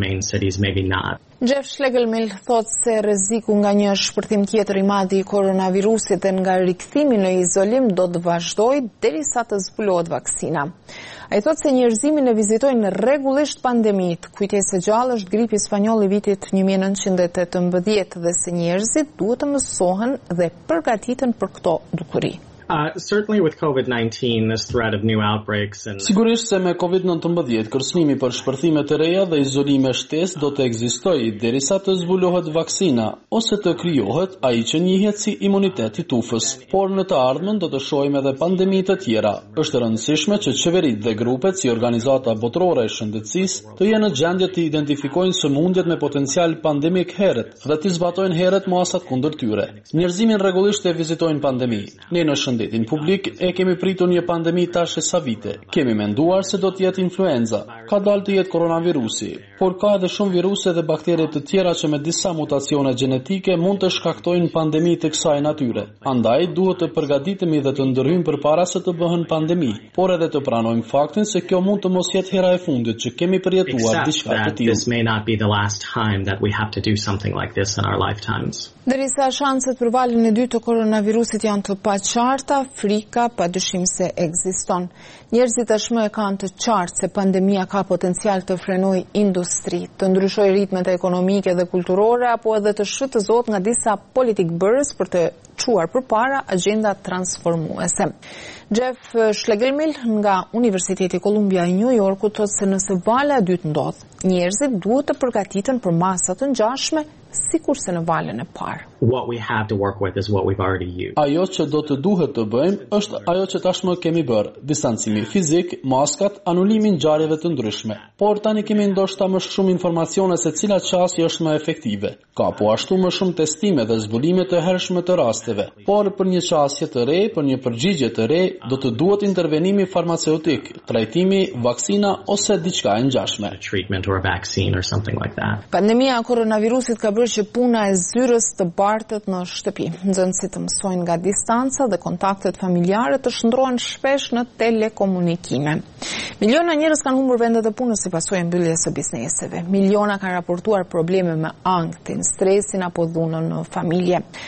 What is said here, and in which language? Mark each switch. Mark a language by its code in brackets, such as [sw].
[sq] Jeff Schlegelmil thot se rreziku nga një shpërthim tjetër i madh i koronavirusit dhe nga rikthimi në izolim do të vazhdojë derisa të zbulohet vaksina. Ai thot se njerëzimin e vizitojnë rregullisht pandemitë. Kujtesë gjallë është gripi spanjoll i vitit 1918 dhe se njerëzit duhet të mësohen dhe përgatiten për këto dukuri. [en] Certainly with COVID-19 this threat of new outbreaks and [sq] sigurisht se me COVID-19 kërcënimi për shpërthime të reja dhe izolime shtesë do të ekzistojë derisa të zbulohet vaksina ose të krijohet ai që njihet si imunitet i tufës. Por në të ardhmen do të shohim edhe pandemi të tjera. Është e rëndësishme që qeveritë dhe grupet si organizata botërore e shëndetësisë të jenë në gjendje të identifikojnë sëmundjet me potencial pandemik herët dhe të zbatojnë herët masat kundër tyre. Njerëzimin rregullisht e vizitojnë pandemi. Ne në shëndetin publik e kemi pritur një pandemi tash e sa vite. Kemi menduar se do të jetë influenza, ka dalë të jetë koronavirusi, por ka edhe shumë viruse dhe bakterie të tjera që me disa mutacione gjenetike mund të shkaktojnë pandemi të kësaj natyre. Andaj duhet të përgatitemi dhe të ndërhyjmë përpara se të bëhen pandemi, por edhe të pranojmë faktin se kjo mund të mos jetë hera e fundit që kemi përjetuar diçka të tillë. [en] This may not be the last time that we have to do something like this in our lifetimes. [sq] Derisa shanset për valën e dytë të koronavirusit janë të paqartë, Marta, frika pa dyshim se ekziston. Njerëzit tashmë e kanë të qartë se pandemia ka potencial të frenoj industri, të ndryshoj ritmet e ekonomike dhe kulturore, apo edhe të shfrytëzohet nga disa politikë bërës për të quar për para agenda transformuese. Jeff Schlegelmil nga Universiteti Columbia i New Yorkut thotë se nëse vala e dytë ndodhë, njerëzit duhet të përgatiten për masat të ngjashme, sikur se në valën e parë. [en] What we have to work with is what we've already used. [sq] Ajo që do të duhet të bëjmë është ajo që tashmë kemi bërë: distancimi fizik, maskat, anulimin ngjarjeve të ndryshme. Por tani kemi ndoshta më shumë informacione se cila çasje është më efektive. Ka po ashtu më shumë testime dhe zbulime të hershme të rasteve. Por për një çasje të re, për një përgjigje të re, do të duhet intervenimi farmaceutik, trajtimi, vaksina ose diçka e ngjashme. [en] Treatment or a vaccine or something like that. [sq] Pandemia e koronavirusit ka bërë që puna e zyrës të bartet në shtëpi. Nxënësit të mësojnë nga distanca dhe kontaktet familjare të shndrohen shpesh në telekomunikime. Miliona njerëz kanë humbur vendet e punës si pasojë mbylljes së bizneseve. Miliona kanë raportuar probleme me ankthin, stresin apo dhunën në familje.